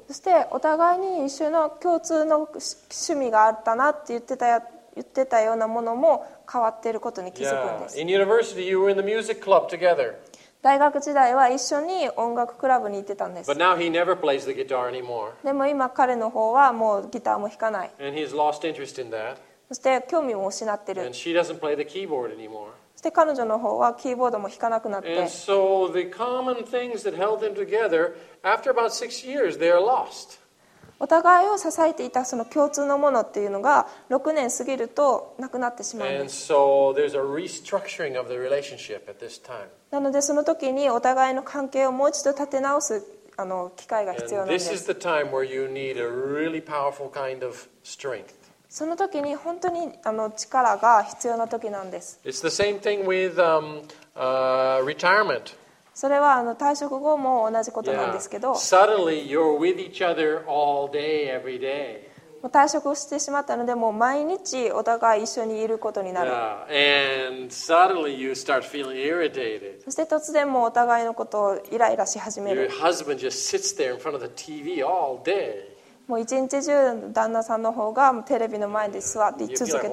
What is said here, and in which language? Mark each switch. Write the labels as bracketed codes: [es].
[ja] そしてお互いに一緒の共通の趣味があったなって言ってたようなものも変わっていることに気づくんです。 [en] Yeah. In university, you were in the music club together. [ja] 大学時代は一緒に音楽クラブに行ってたんです。 [en] But now he never plays the guitar anymore. [ja] でも今彼の方はもうギターも弾かない。 [en] And he's lost interest in that. [ja] そして興味も失ってる。 [en] And she doesn't play the keyboard anymore. [ja] そして彼女の方はキーボードも弾かなくなって。 [en] And so the common things that held them together, after about 6 years, they are lost. [ja] お互いを支えていたその共通のものっていうのが6年過ぎるとなくなってしまうんです。 [en] And so there's a restructuring of the relationship at this time. [ja] なのでその時にお互いの関係をもう一度立て直す機会が必要なんです。 [en] This is the time where you need a really powerful kind of strength. [ja] その時に本当に力が必要な時なんです。 [en] It's the same thing with retirement. [ja] それは退職後も同じことなんですけど。 [en] Suddenly you're with each other all day, every day. [ja] もう退職してしまったので、もう毎日お互い一緒にいることになる。 [en] Yeah. And suddenly you start feeling irritated. [ja] そして突然もうお互いのことをイライラし始める。 [en] Your husband just sits there in front of the TV all day. [ja] もう一日中旦那さんの方がテレビの前で座って続けてる。